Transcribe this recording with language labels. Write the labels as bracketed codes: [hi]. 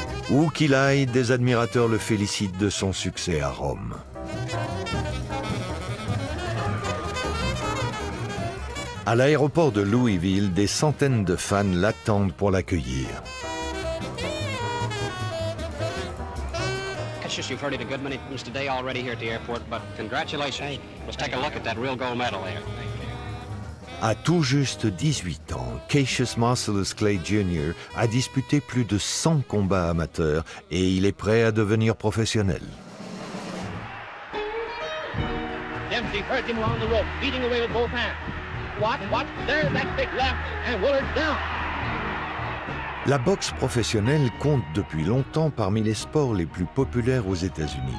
[fr] Où qu'il aille, des admirateurs le félicitent de son succès à Rome. À l'aéroport de Louisville, des centaines de fans l'attendent pour l'accueillir. [en] Cassius, you've heard it a good many times today already here at the airport, but congratulations. Let's take a look at that real gold medal there. [fr] À tout juste 18 ans, Cassius Marcellus Clay Jr. a disputé plus de 100 combats amateurs et il est prêt à devenir professionnel. [en] Dempsey hurt him along the rope, beating away with both hands. What? There's that big left, and Willard's down. [fr] La boxe professionnelle compte depuis longtemps parmi les sports les plus populaires aux États-Unis.